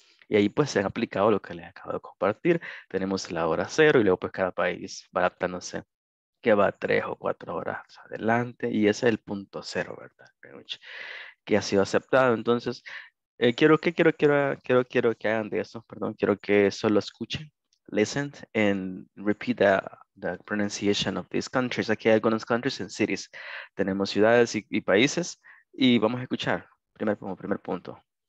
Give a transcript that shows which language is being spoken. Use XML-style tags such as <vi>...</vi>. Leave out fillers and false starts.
<es>Y ahí pues se han aplicado lo que les acabo de compartir. Tenemos la hora cero y luego pues cada país va adaptándose, que va 3 o 4 horas adelante. Y ese es el punto cero, ¿verdad? Que ha sido aceptado. Entonces, quiero que hagan de eso, perdón, quiero que solo escuchen.</es> <en>Listen and repeat the pronunciation of these countries.</en> <es>Aquí hay algunos</es> <en>countries and cities.</en> <es>Tenemos ciudades y países y vamos a escuchar primer punto.</es>